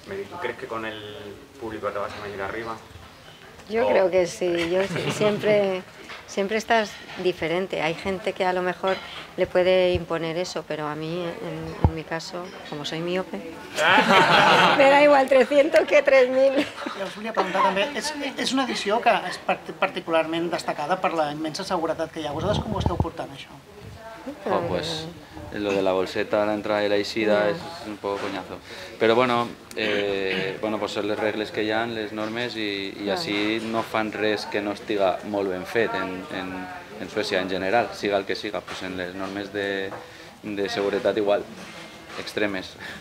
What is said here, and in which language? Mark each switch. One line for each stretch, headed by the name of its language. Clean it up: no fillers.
Spanish: ¿Tú crees que con el público te vas a venir arriba? Yo creo que sí, yo siempre estás diferente. Hay gente que a lo mejor le puede imponer eso, pero a mí, en mi caso, como soy miope, me da igual 300 que 3.000.
Catalan: Os volia preguntar també, és una edició que és particularment destacada per la immensa seguretat que hi ha. Vosaltres com ho esteu portant, això?
Spanish: Oh, pues lo de la bolseta, la entrada y la ISIDA es un poco coñazo. Pero bueno, pues son las reglas que ya, las normas y así
Catalan: no fan res que no estiga molt ben fet
Spanish: en Suecia en general, siga el que siga, pues en las normas de seguridad igual, extremes.